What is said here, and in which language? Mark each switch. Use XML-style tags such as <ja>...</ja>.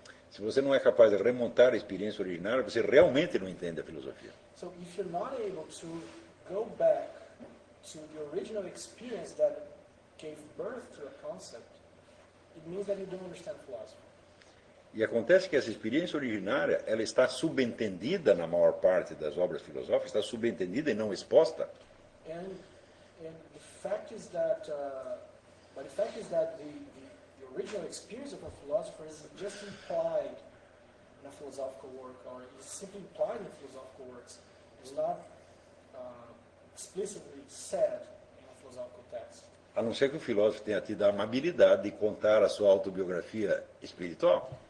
<pt>Se você não é capaz de remontar a experiência originária, você realmente não entende a filosofia.</pt> <en>So if you're not able to go back to the original experience that gave birth to a concept, it means that you don't understand philosophy.</en> <pt>E acontece que essa experiência originária, ela está subentendida na maior parte das obras filosóficas, está subentendida e não exposta.</pt> <en>And the fact is that but the fact is that original experience of a philosopher is just implied in a philosophical work, or is simply implied in philosophical works. It's not explicitly said in a philosophical text.</en> <pt>A não ser que o filósofo tenha tido a amabilidade de contar a sua autobiografia espiritual.</pt>